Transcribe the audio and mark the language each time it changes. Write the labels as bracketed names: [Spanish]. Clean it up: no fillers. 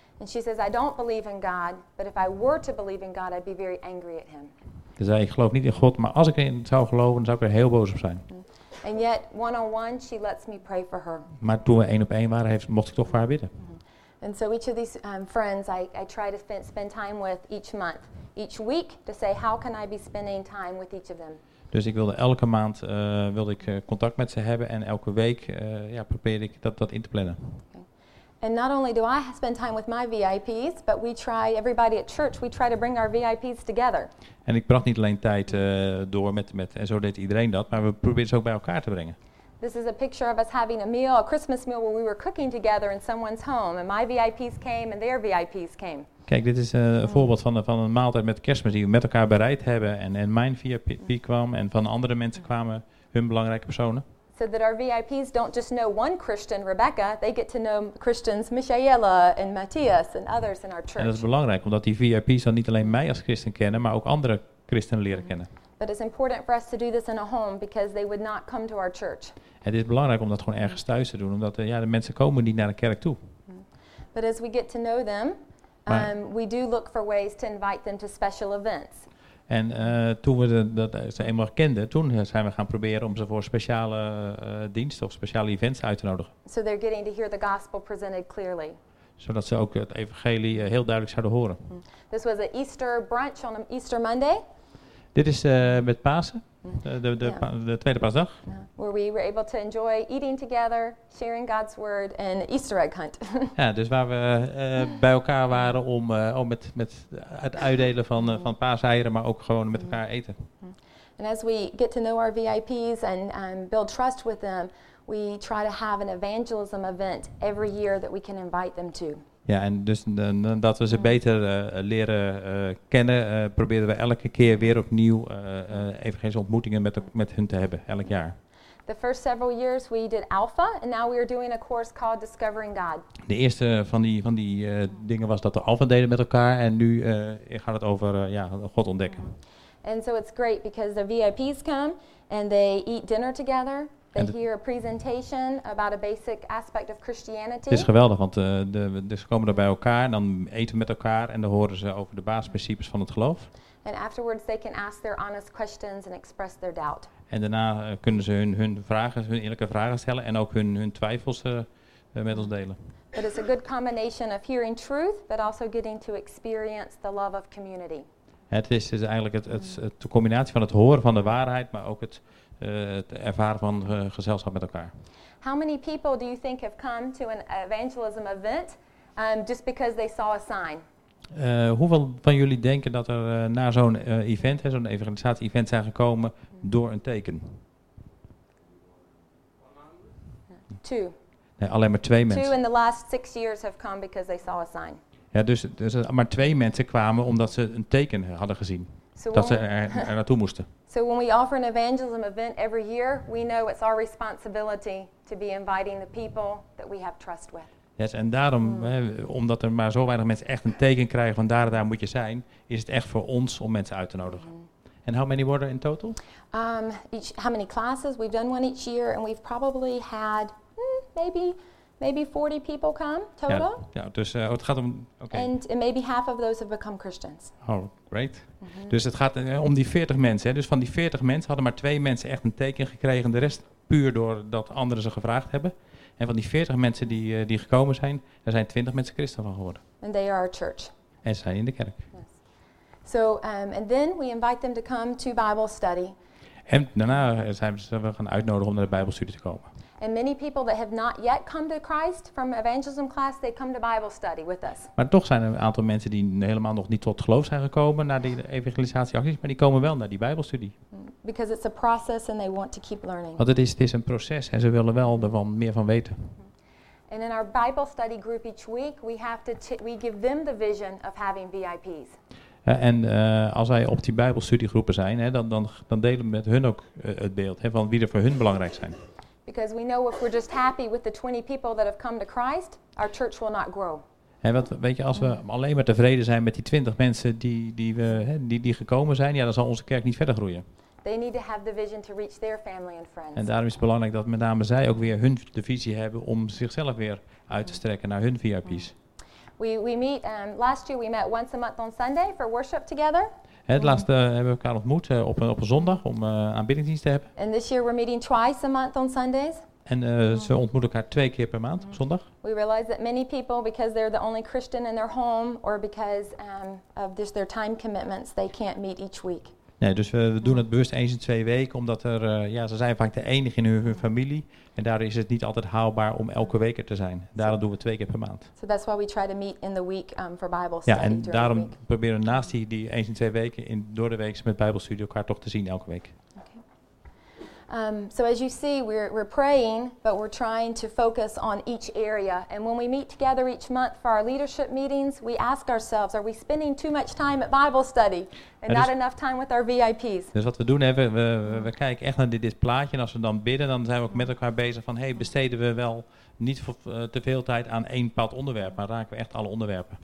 [English] And she says, I don't believe in God, but if I were to believe in God, I'd be very angry at him. [Dutch] Ze zei, ik geloof niet in God, maar als ik erin zou geloven, dan zou ik er heel boos op zijn. Mm-hmm. [English] And yet, one-on-one, she lets me pray for her. [Dutch] Maar toen we één op één waren, mocht ik toch voor haar bidden. [English] And so each of these friends I try to spend time with each month, each week, to say how can I be spending time with each of them. [Dutch] Dus ik wilde elke maand contact met ze hebben en elke week probeer ik dat in te plannen. [English] And not only do I spend time with my VIPs, but everybody at church, we try to bring our VIPs together. [Dutch] En ik bracht niet alleen tijd door met en zo deed iedereen dat, maar we proberen ze ook bij elkaar te brengen. [English] This is a picture of us having a meal, a Christmas meal, where we were cooking together in someone's home. And my VIPs came and their VIPs came. [Dutch] Kijk, dit is een voorbeeld van een maaltijd met Kerstmis die we met elkaar bereid hebben. En mijn VIP kwam en van andere mensen kwamen hun belangrijke personen. [English] So that our VIPs don't just know one Christian, Rebekah. They get to know Christians, Michaela and Matthias and others in our church. [Dutch] En dat is belangrijk, omdat die VIPs dan niet alleen mij als christen kennen, maar ook andere christenen leren kennen. [English] But it's important for us to do this in a home because they would not come to our church. [Dutch] Het is belangrijk om dat gewoon ergens thuis te doen, omdat de mensen komen niet naar de kerk toe. [English] But as we get to know them, we do look for ways to invite them to special events. [Dutch] En toen we ze eenmaal kenden, toen zijn we gaan proberen om ze voor speciale diensten of speciale events uit te nodigen. [English] So they're getting to hear the gospel presented clearly. [Dutch] Zodat ze ook het evangelie heel duidelijk zouden horen. [English] This was an Easter brunch on an Easter Monday. [Dutch] Dit is met Pasen, de tweede Paasdag. [English] Yeah. Where we were able to enjoy eating together, sharing God's word and Easter egg hunt. [Dutch] Ja, dus waar we bij elkaar waren om met het uitdelen van paaseieren, maar ook gewoon met elkaar eten. [English] And as we get to know our VIPs and build trust with them, we try to have an evangelism event every year that we can invite them to. [Dutch] Ja, en dus dat we ze beter leren kennen, proberen we elke keer weer opnieuw evangelische ontmoetingen met hun te hebben, elk jaar. [English] The first several years we did Alpha, and now we are doing a course called Discovering God. [Dutch] De eerste van die dingen was dat we Alpha deden met elkaar, en nu gaat het over God ontdekken. [English] And so it's great because the VIPs come and they eat dinner together. They hear a presentation about a basic aspect of Christianity. [Dutch] Het is geweldig, want ze komen er bij elkaar en dan eten we met elkaar en dan horen ze over de basisprincipes van het geloof. [English] And afterwards they can ask their honest questions and express their doubt. [Dutch] En daarna kunnen ze hun eerlijke vragen stellen en ook hun twijfels met ons delen. [English] But it's a good combination of hearing truth, but also getting to experience the love of community. [Dutch] Het is dus eigenlijk het de combinatie van het horen van de waarheid, maar ook het ervaren van gezelschap met elkaar. [English] How many people do you think have come to an evangelism event just because they saw a sign? [Dutch] Hoeveel van jullie denken dat er na zo'n event, zo'n evangelisatie-event zijn gekomen door een teken? [English] Two. [Dutch] Nee, alleen maar twee mensen. [English] Two in the last 6 years have come because they saw a sign. [Dutch] Ja, dus maar twee mensen kwamen omdat ze een teken hadden gezien. So dat ze er naartoe moesten. [English] So when we offer an evangelism event every year, we know it's our responsibility to be inviting the people that we have trust with. Yes, [Dutch] en daarom, omdat er maar zo weinig mensen echt een teken krijgen van daar moet je zijn, is het echt voor ons om mensen uit te nodigen. Mm. [English] And how many were there in total? How many classes? We've done one each year and we've probably had maybe 40 people come total. [Dutch] Ja, dus het gaat om. Okay. [English] And maybe half of those have become Christians. Oh, great. Mm-hmm. [Dutch] Dus het gaat om die 40 mensen. Dus van die 40 mensen hadden maar twee mensen echt een teken gekregen. De rest puur doordat anderen ze gevraagd hebben. En van die 40 mensen die gekomen zijn, er zijn 20 mensen christen van geworden. [English] And they are a church. [Dutch] En ze zijn in de kerk. [English] Yes. So and then we invite them to come to Bible study. [Dutch] En daarna zijn we gaan uitnodigen om naar de Bijbelstudie te komen. [English] And many people that have not yet come to Christ from evangelism class, they come to Bible study with us. [Dutch] Maar toch zijn er een aantal mensen die helemaal nog niet tot geloof zijn gekomen naar die evangelisatieacties, maar die komen wel naar die Bijbelstudie. [English] Because it's a process and they want to keep learning. [Dutch] Want het is een proces en ze willen wel ervan meer van weten. [English] And in our Bible study group each week, we give them the vision of having VIPs. [Dutch] Als wij op die Bijbelstudiegroepen zijn, dan delen we met hun ook het beeld van wie er voor hun belangrijk zijn. [English] Because we know if we're just happy with the 20 people that have come to Christ, our church will not grow. [Dutch] En weet je, als we alleen maar tevreden zijn met die 20 mensen die gekomen zijn, dan zal onze kerk niet verder groeien. [English] They need to have the vision to reach their family and friends. [Dutch] En daarom is het belangrijk dat met name zij ook weer hun de visie hebben om zichzelf weer uit te strekken naar hun VIP's. [English] We meet last year we met once a month on Sunday for worship together. [Dutch] Het laatste hebben we elkaar ontmoet op een zondag om aanbiddingsdienst te hebben. [English] And this year we're meeting twice a month on Sundays. [Dutch] En ze ontmoeten elkaar twee keer per maand op zondag. [English] We realize that many people, because they're the only Christian in their home, or because of just their time commitments, they can't meet each week. [Dutch] Nee, dus we doen het bewust eens in twee weken, omdat ze zijn vaak de enige in hun familie. En daar is het niet altijd haalbaar om elke week er te zijn. Daarom doen we twee keer per maand. [English] So that's why we try to meet in the week for Bible study. [Dutch] Ja, en daarom proberen we naast die eens in twee weken door de week met Bijbelstudie elkaar toch te zien elke week. [English] So as you see, we're praying, but we're trying to focus on each area. And when we meet together each month for our leadership meetings, we ask ourselves, are we spending too much time at Bible study and not enough time with our VIPs? [Dutch] Dus wat we doen, we kijken echt naar dit plaatje. En als we dan bidden, dan zijn we ook met elkaar bezig van, besteden we wel niet te veel tijd aan één bepaald onderwerp, maar raken we echt alle onderwerpen?